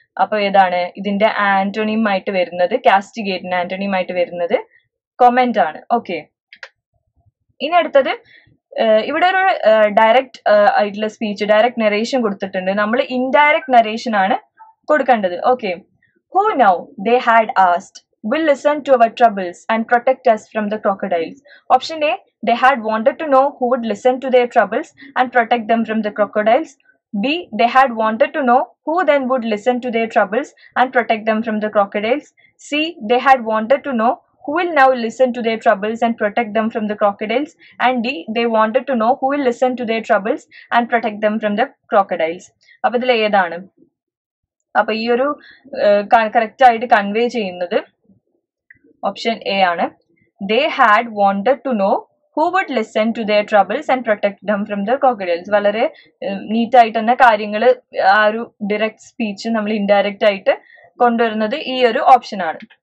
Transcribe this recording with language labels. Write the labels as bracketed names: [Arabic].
[Malayalam] അപ്പൊ ഏതാണ് ഇതിന്റെ ആന്റണിം ആയിട്ട് വരുന്നത്? കാസ്റ്റിഗേറ്റിന് ആന്റണിം ആയിട്ട് വരുന്നത് കൊമെന്റ് ആണ്. ഓക്കെ, ഇനി അടുത്തത് ഇവിടെ ഒരു ഡയറക്റ്റ് ആയിട്ടുള്ള സ്പീച്ച്, ഡയറക്റ്റ് നറേഷൻ കൊടുത്തിട്ടുണ്ട്. നമ്മൾ ഇൻഡയറക്റ്റ് നറേഷൻ ആണ് കൊടുക്കേണ്ടത്. [English] Okay, who now they had asked will listen to our troubles and protect us from the crocodiles. Option A, they had wanted to know who would listen to their troubles and protect them from the crocodiles. B, they had wanted to know who then would listen to their troubles and protect them from the crocodiles. C, they had wanted to know who will now listen to their troubles and protect them from the crocodiles. And D, they wanted to know who will listen to their troubles and protect them from the crocodiles. [Malayalam] അപ്പോൾ ഇതിൽ ഏതാണ്? അപ്പോൾ ഈ ഒരു correct ആയിട്ട് convey ചെയ്യുന്നത് option A ആണ്. [English] They had wanted to know who would listen to their troubles and protect them from the crocodiles. [Malayalam] വളരെ നീറ്റായിട്ട് തന്നെ കാര്യങ്ങൾ ആ ഒരു ഡയറക്റ്റ് സ്പീച്ച് നമ്മൾ ഇൻഡയറക്റ്റ് ആയിട്ട് കൊണ്ടുവരുന്നത് ഈ ഒരു ഓപ്ഷൻ ആണ്.